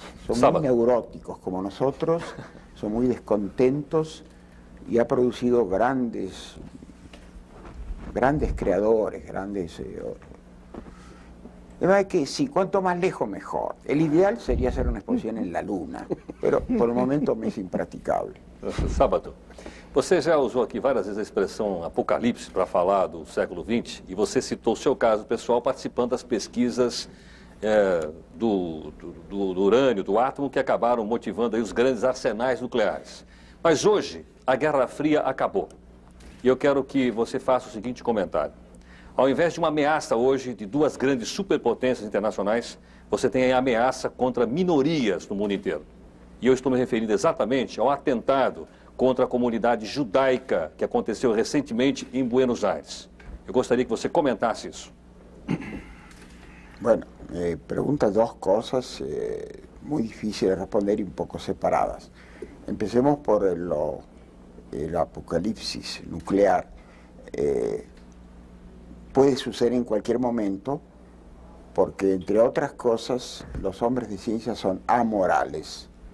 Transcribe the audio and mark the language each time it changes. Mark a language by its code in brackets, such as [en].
[es] Son muy neuróticos como nosotros, son muy descontentos y ha producido grandes creadores, grandes... La verdad es que sí, cuanto más lejos mejor. El ideal sería hacer una exposición en la Luna, pero por el momento me es impracticable. [pt] Sábado, você já usou aqui várias vezes a expressão apocalipse para falar do século XX e você citou o seu caso pessoal participando das pesquisas do urânio, do átomo, que acabaram motivando aí os grandes arsenais nucleares. Mas hoje a Guerra Fria acabou e eu quero que você faça o seguinte comentário. Ao invés de uma ameaça hoje de duas grandes superpotências internacionais, você tem aí ameaça contra minorias no mundo inteiro. E eu estou me referindo exatamente ao atentado contra a comunidade judaica que aconteceu recentemente em Buenos Aires. Eu gostaria que você comentasse isso. Bueno, pergunta duas coisas muito difíceis de responder e um pouco separadas. [es] Empecemos por el apocalipse nuclear. Puede suceder en cualquier momento, porque entre otras cosas, los hombres de ciencia son amorales.